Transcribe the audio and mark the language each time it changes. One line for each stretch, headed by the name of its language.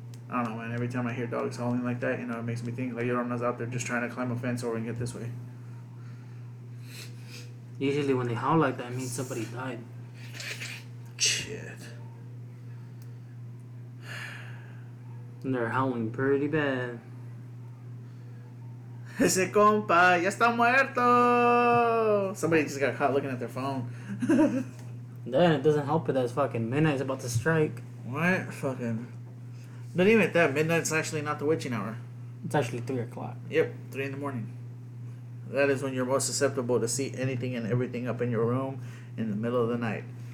English: I don't know, man. Every time I hear dogs howling like that, you know, it makes me think, like, your mom's out there just trying to climb a fence over and get this way. Usually when they howl like that, it means somebody died. Shit. And they're howling pretty bad.
Spanish: Ese compa ya está muerto.
English: Somebody just got caught looking at their phone. Then it doesn't help it that it's fucking midnight's about to strike. What? Fucking. Not even at that. Midnight's actually not the witching hour. It's actually 3 o'clock. Yep, 3 in the morning. That is when you're most susceptible to see anything and everything up in your room in the middle of the night.